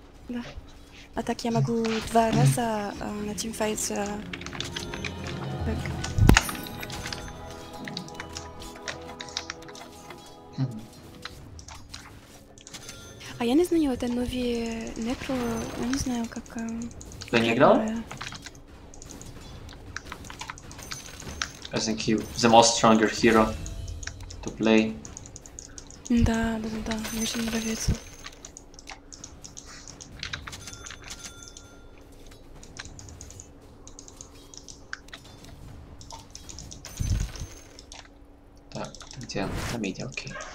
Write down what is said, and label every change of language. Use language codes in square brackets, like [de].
[ru] Да. А так я могу два раза на teamfight. А я не знаю, это новый некро, я не знаю, как... Ты не играл? [en] I think he the most stronger hero to play. [ru] Да, да, да, да, мне очень нравится. Так, где? На миде, окей.